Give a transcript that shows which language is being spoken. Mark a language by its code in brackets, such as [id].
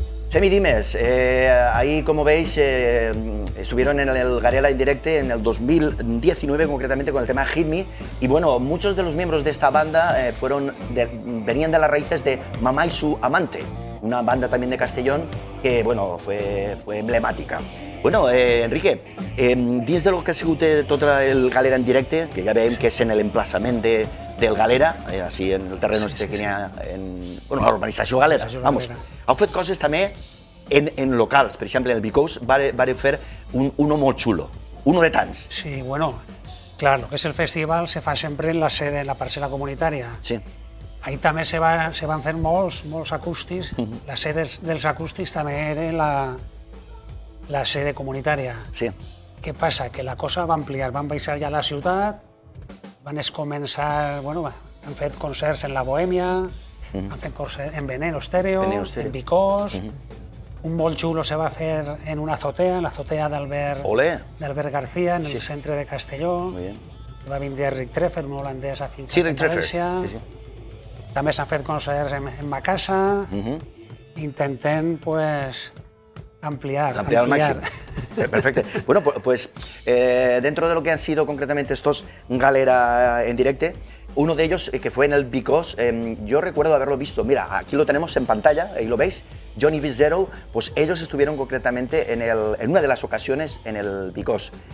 [es] Xemi Dimes, ahí como veis estuvieron en el Garela en directo en el 2019 concretamente con el tema Hit Me y bueno, muchos de los miembros de esta banda venían de las raíces de Mamá y su Amante, una banda también de Castellón que bueno, fue emblemática. [ca] Bueno, Enrique, dins de lo que ha sigut tot el Galera en directe, que ja veiem sí. que és en l'emplaçament del Galera, així en el terreny sí, sí, que sí. n'hi ha, en, bueno, la urbanització Galera, vamos, heu fet coses també en locals, per exemple, el Bicous va fer uno molt xulo, uno de tants. Sí, bueno, clar, lo que és el festival se fa sempre en la sede, en la parcel·la comunitària. Sí. Ahí també se van fer molts acústics, la sede dels acústics també era la sede comunitària. Sí. Què passa? Que la cosa va ampliar, van baixar ja a la ciutat, van començar, bueno, han fet concerts en la Bohèmia, han fet concerts en Veneno Estéreo, en Bicós, un molt xulo se va fer en una azotea, en l'azotea d'Albert García, en el sí. centre de Castelló. [es] Muy bien. [ca] Va vindre Rick Treffer, un holandès a Finca sí, Rick Treffer. Sí, sí. També s'han fet concerts en ma casa, intentant, pues, ampliar al màxim. Perfecte. [es] Bueno, pues dentro de lo que han sido concretamente estos Galera en directe, uno de ellos que fue en el Bicos, yo recuerdo haberlo visto. Mira, aquí lo tenemos en pantalla, ahí lo veis. Johnny Vizero, pues ellos estuvieron concretamente en una de las ocasiones en el Bicos.